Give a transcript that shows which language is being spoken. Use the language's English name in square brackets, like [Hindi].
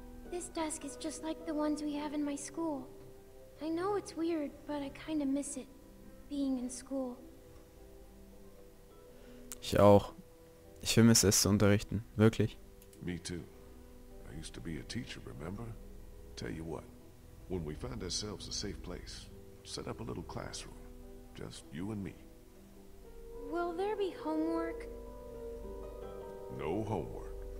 [English] This desk is just like the ones we have in my school. I know it's weird, but I kind of miss it, being in school. [German] Ich auch. Ich vermisse es zu unterrichten, wirklich. [English] Me too. I used to be a teacher, remember? Tell you what, when we find ourselves a safe place, set up a little classroom, just you and me. Will there be homework? No homework.